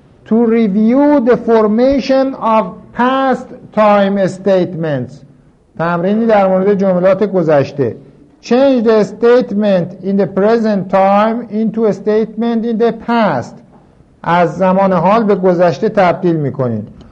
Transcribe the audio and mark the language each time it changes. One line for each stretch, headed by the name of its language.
English: To review the formation of past time statements.
Persian: تمرینی در مورد جملات گذشته.
English: Change the statement in the present time into a statement in the past.
Persian: از زمان حال به گذشته تبدیل میکنین.